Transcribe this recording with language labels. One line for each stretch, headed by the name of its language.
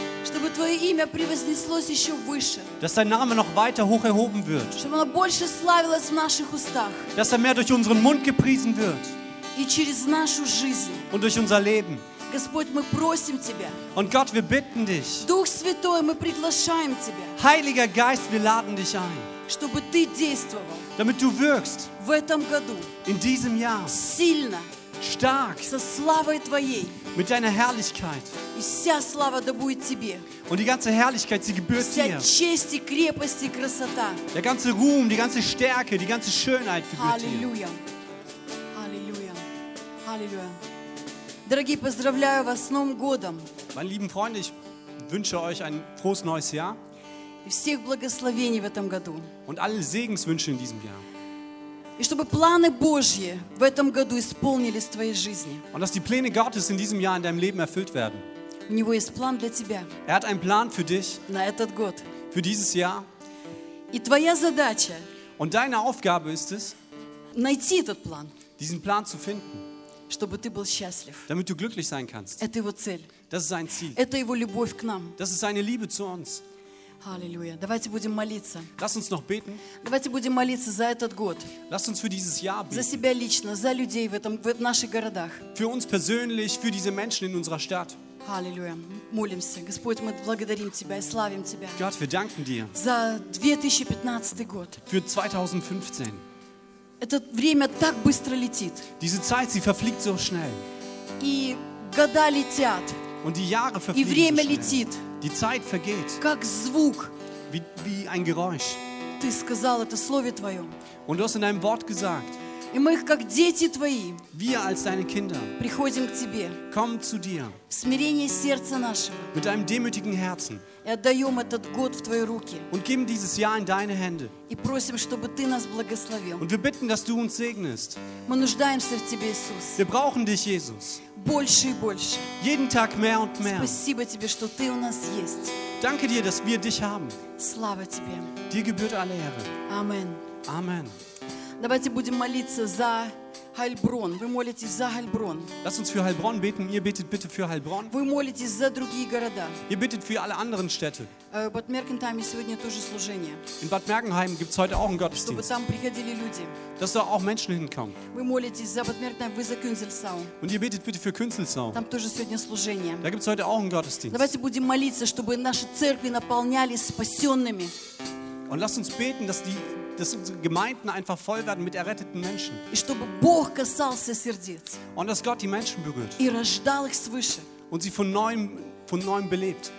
Russian: Чтобы твое имя превознеслось еще выше.
German: Dass dein Name noch weiter hoch erhoben wird.
Russian: Чтобы оно больше славилось в наших устах.
German: Dass mehr durch unseren Mund gepriesen wird.
Russian: И через нашу жизнь.
German: Und durch unser Leben.
Russian: Господь, мы просим тебя.
German: Und Gott, wir bitten dich.
Russian: Дух Святой, мы приглашаем тебя.
German: Heiliger Geist, wir laden dich ein.
Russian: Чтобы ты действовал.
German: Damit du wirkst.
Russian: В этом году.
German: In diesem Jahr.
Russian: Сильно.
German: Stark.
Russian: Со славой твоей.
German: Mit deiner Herrlichkeit.
Russian: И вся слава да будет тебе.
German: Und die ganze Herrlichkeit, sie gebührt
Russian: вся
German: dir.
Russian: Вся честь и крепость и красота.
German: Der ganze Ruhm, die ganze Stärke, die ganze Schönheit gebührt Halleluja. Dir. Halleluja. Halleluja.
Russian: Дорогие, поздравляю вас с Новым годом.
German: Meine lieben Freunde, ich wünsche euch ein frohes neues Jahr.
Russian: И всех благословений в этом году.
German: Und alle Segenswünsche in diesem Jahr.
Russian: И чтобы планы Божьи в этом году исполнились в твоей жизни.
German: Und dass die Pläne Gottes in diesem Jahr in deinem Leben erfüllt werden.
Russian: У него есть план для тебя.
German: Er hat einen Plan für dich.
Russian: На этот год.
German: Für dieses Jahr.
Russian: И твоя задача.
German: Und deine Aufgabe ist es.
Russian: Найти этот план.
German: Diesen Plan zu finden.
Russian: Чтобы ты был счастлив.
German: Damit du glücklich sein kannst.
Russian: Это его цель.
German: Das ist sein Ziel.
Russian: Это его любовь к нам.
German: Das ist seine Liebe zu uns. Halleluja.
Russian: Давайте будем молиться.
German: Lass uns noch beten.
Russian: Давайте будем молиться за этот год.
German: Lass uns für dieses Jahr beten.
Russian: За себя лично, за людей в этом в наших городах.
German: Für uns persönlich, für diese Menschen in unserer Stadt.
Russian: Halleluja. Молимся. Господь, мы благодарим тебя и славим тебя.
German: Gott, wir danken dir.
Russian: За 2015 год.
German: Für 2015.
Russian: Это время так быстро летит.
German: Diese Zeit, sie verfliegt so schnell.
Russian: И года летят.
German: Und die Jahre verfliegen.
Russian: И время летит.
German: Die Zeit vergeht.
Russian: Как звук.
German: Wie ein Geräusch.
Russian: Ты сказал это слове твое.
German: Und du hast in deinem Wort gesagt.
Russian: И мы как дети твои.
German: Wir als deine Kinder.
Russian: Приходим к тебе.
German: Kommen zu dir.
Russian: Смирение сердца нашего.
German: Mit einem demütigen Herzen.
Russian: И отдаем этот год в твои руки.
German: Und geben dieses Jahr in deine Hände.
Russian: И просим, чтобы ты нас благословил.
German: Und wir bitten, dass du uns segnest.
Russian: Мы нуждаемся в тебе, Иисус.
German: Wir brauchen dich, Jesus.
Russian: Больше и больше.
German: Jeden Tag mehr und mehr.
Russian: Спасибо тебе, что ты у нас есть.
German: Danke dir, dass wir dich haben.
Russian: Слава тебе.
German: Dir gebührt alle Ehre. Amen. Amen.
Russian: Давайте будем молиться за Heilbronn. Вы молитесь за Heilbronn.
German: Lass uns für Heilbronn beten. Ihr betet bitte für Heilbronn.
Russian: Вы молитесь за другие города.
German: Ihr betet für alle anderen Städte.
Russian: В Bad Mergentheim сегодня тоже служение.
German: In Bad Mergentheim gibt's heute auch einen Gottesdienst.
Russian: Чтобы там приходили люди.
German: Dass da auch Menschen hinkommen.
Russian: Вы молитесь за Bad Mergentheim, вы за Künzelsau.
German: Und ihr betet bitte für Künzelsau.
Russian: Там тоже сегодня служение.
German: Da gibt's heute auch einen Gottesdienst.
Russian: Давайте будем молиться, чтобы наши церкви наполнялись спасенными.
German: Und lass uns beten, dass die dass unsere Gemeinden einfach voll werden mit erretteten Menschen. Und dass Gott die Menschen berührt. Und sie von neuem belebt.